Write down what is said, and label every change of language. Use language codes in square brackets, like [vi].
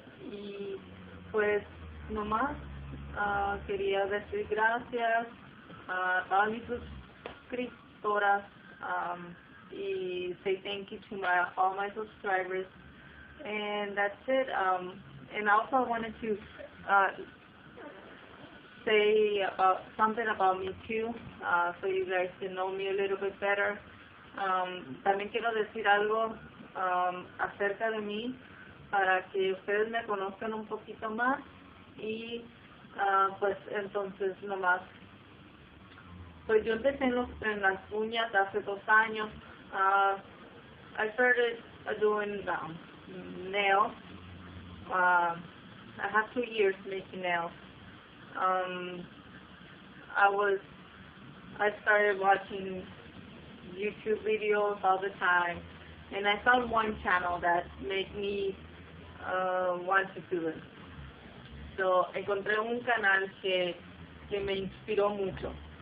[es] Y pues, nomás quería decir gracias a todas mis suscriptoras. [en] Y say thank you to my all my subscribers, and that's it. And also I wanted to say about something about me too, so you guys can know me a little bit better. [es] También quiero decir algo acerca de mí para que ustedes me conozcan un poquito más. Y pues entonces nomás, pues yo empecé en las uñas hace 2 años. [en] I started doing nails. I have 2 years making nails. I started watching YouTube videos all the time, and I found one channel that made me want to do it. [es] So, encontré un canal que me inspiró mucho.